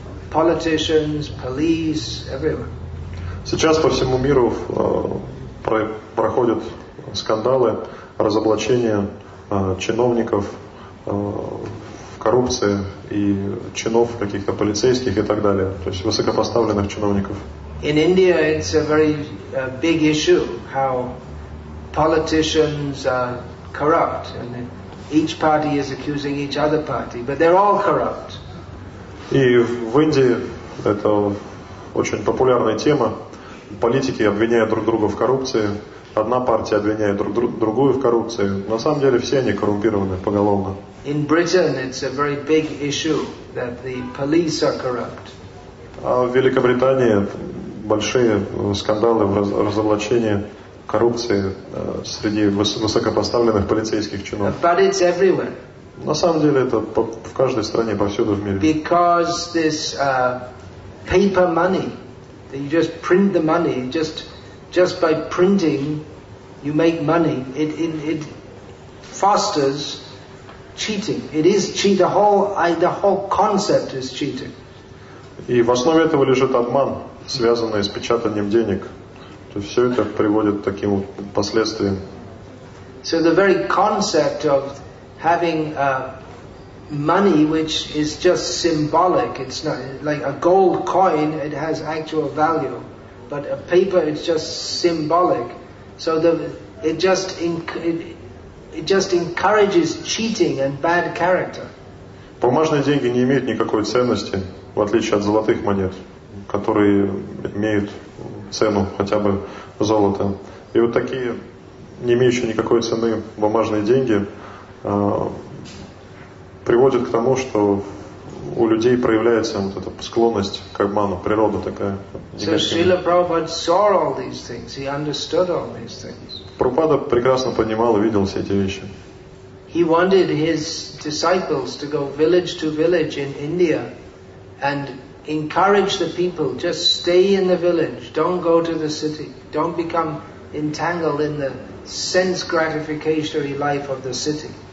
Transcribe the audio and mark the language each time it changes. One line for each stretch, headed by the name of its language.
English: politicians, police, everyone.
Russian: Сейчас по всему миру проходят скандалы, разоблачения чиновников в коррупции и чинов каких-то полицейских и так далее, то есть высокопоставленных чиновников.
English: In India, it's a very big issue how politicians are corrupt, and each party is accusing each other party, but they're all corrupt.
Russian: И в Индии это очень популярная тема. Политики обвиняют друг друга в коррупции. Одна партия обвиняет другую в коррупции. На самом деле все они коррумпированы поголовно.
English: In Britain, it's a very big issue that the police are corrupt.
Russian: А в Великобритании большие скандалы в разоблачении коррупции среди высокопоставленных полицейских чинов.
English: But it's everywhere.
Russian: На самом деле это в каждой стране, повсюду в мире.
English: Because this paper money, that you just print the money, just by printing, you make money. It fosters cheating. It is cheat. The whole concept is cheating.
Russian: И в основе этого лежит обман, связанный с печатанием денег. То есть все это приводит к таким вот последствиям.
English: So the very concept of having money, which is just symbolic, it's not like a gold coin, it has actual value, but a paper, it's just symbolic. So it just encourages cheating and bad character.
Russian: Бумажные деньги не имеют никакой ценности, в отличие от золотых монет, которые имеют цену хотя бы золото. И вот такие, не имеющие никакой цены бумажные деньги, приводят к тому, что у людей проявляется вот эта склонность к обману, природа такая.
English: Srila Prabhupada saw all these things, he understood all these things.
Russian: Прабхупада прекрасно понимал и видел все эти вещи.
English: He wanted his disciples to go village to village in India and encourage the people, just stay in the village, don't go to the city, don't become entangled in the sense gratificatory life of the city.